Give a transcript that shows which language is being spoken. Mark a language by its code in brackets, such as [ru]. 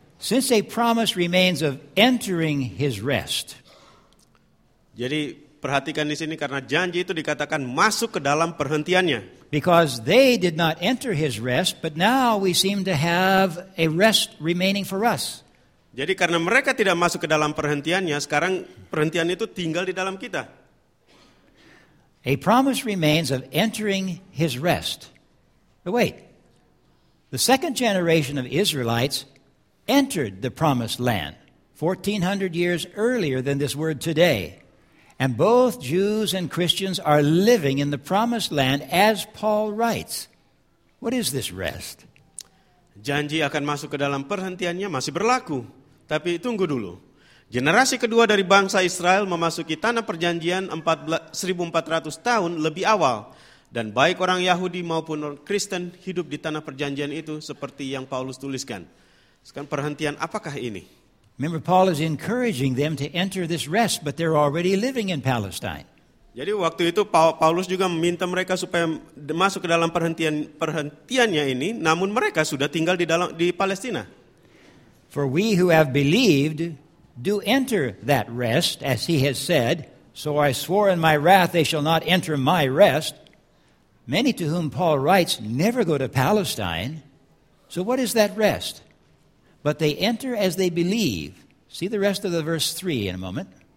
[en] Since a promise remains of entering his rest. [id] Jadi perhatikan di sini karena janji itu dikatakan masuk ke dalam perhentiannya. [en] Because they did not enter his rest, but now we seem to have a rest remaining for us. [id] Jadi karena mereka tidak masuk ke dalam perhentiannya, sekarang perhentian itu tinggal di dalam kita. [en] A promise remains of entering his rest. But wait, the second generation of Israelites entered the promised land 1,400 years earlier than this word today. And both Jews and Christians are living in the promised land as Paul writes. What is this rest? [id] Janji akan masuk ke dalam perhentiannya masih berlaku. Tapi tunggu dulu. Generasi kedua dari bangsa Israel memasuki tanah perjanjian 1,400 tahun lebih awal. Dan baik orang Yahudi maupun orang Kristen hidup di tanah perjanjian itu seperti yang Paulus tuliskan. Sekarang perhentian apakah ini? [en] Remember, Paul is encouraging them to enter this rest, but they're already living in Palestine. [id] Jadi waktu itu Paulus juga meminta mereka supaya masuk ke dalam perhentiannya ini, namun mereka sudah tinggal di Palestina. [en] For we who have believed do enter that rest, as he has said, so I swore in my wrath they shall not enter my rest. Many to whom Paul writes never go to Palestine. So what is that rest? But they enter as they believe. See the rest of the verse 3 in a moment.